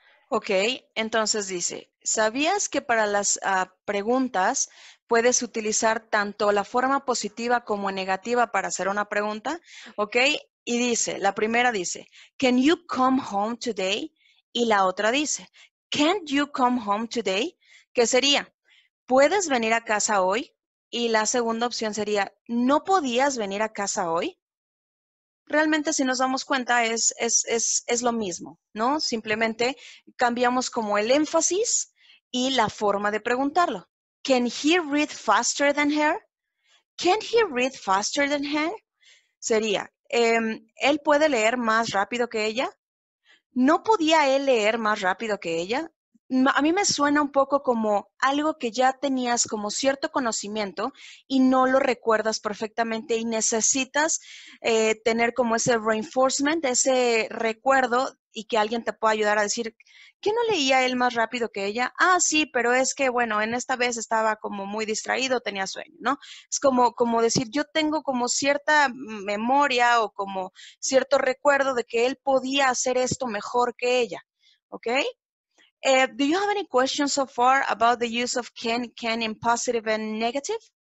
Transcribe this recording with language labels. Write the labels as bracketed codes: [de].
[es] Ok, entonces dice, ¿sabías que para las preguntas puedes utilizar tanto la forma positiva como negativa para hacer una pregunta? Ok, y dice, la primera dice, [en] can you come home today? [es] Y la otra dice, [en] can't you come home today? [es] ¿Qué sería? ¿Puedes venir a casa hoy? Y la segunda opción sería, ¿no podías venir a casa hoy? Realmente, si nos damos cuenta, es lo mismo, ¿no? Simplemente cambiamos como el énfasis y la forma de preguntarlo. [en] Can he read faster than her? Can he read faster than her? [es] Sería, ¿él puede leer más rápido que ella? ¿No podía él leer más rápido que ella? A mí me suena un poco como algo que ya tenías como cierto conocimiento y no lo recuerdas perfectamente y necesitas tener como ese reinforcement, ese recuerdo y que alguien te pueda ayudar a decir, ¿qué no leía él más rápido que ella? Ah, sí, pero es que, bueno, en esta vez estaba como muy distraído, tenía sueño, ¿no? Es como decir, yo tengo como cierta memoria o como cierto recuerdo de que él podía hacer esto mejor que ella, ¿ok? [en] Do you have any questions so far about the use of can in positive and negative?